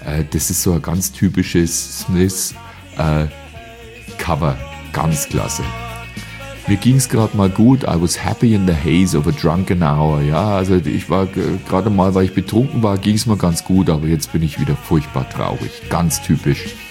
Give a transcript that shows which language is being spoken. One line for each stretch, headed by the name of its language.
German: Das ist so ein ganz typisches Smiths Cover, ganz klasse. Mir ging's gerade mal gut.
English: I was happy in the haze of a drunken hour.
German: Ja, also ich war gerade mal, weil ich betrunken war, ging's mir ganz gut, aber jetzt bin ich wieder furchtbar traurig. Ganz typisch.